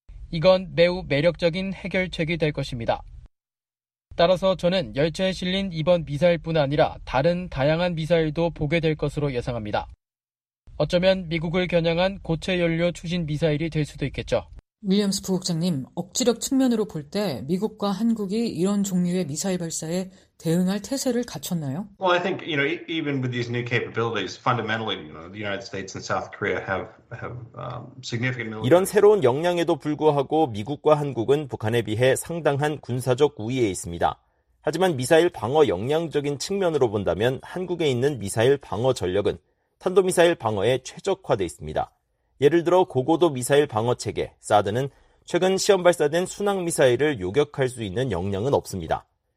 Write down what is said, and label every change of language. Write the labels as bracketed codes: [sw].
[ko] 이건 매우 매력적인 해결책이 될 것입니다. 따라서 저는 열차에 실린 이번 미사일뿐 아니라 다른 다양한 미사일도 보게 될 것으로 예상합니다. 어쩌면 미국을 겨냥한 고체 연료 추진 미사일이 될 수도 있겠죠. 윌리엄스 부국장님, 억지력 측면으로 볼 때 미국과 한국이 이런 종류의 미사일 발사에 대응할 태세를 갖췄나요? [en] Well, I think, you know, even with these new capabilities, fundamentally, you know, the United States and South Korea have significant military. [ko] 이런 새로운 역량에도 불구하고 미국과 한국은 북한에 비해 상당한 군사적 우위에 있습니다. 하지만 미사일 방어 역량적인 측면으로 본다면 한국에 있는 미사일 방어 전력은 탄도미사일 방어에 최적화돼 있습니다. 예를 들어 고고도 미사일 방어체계, 사드는 최근 시험 발사된 순항미사일을 요격할 수 있는 역량은 없습니다.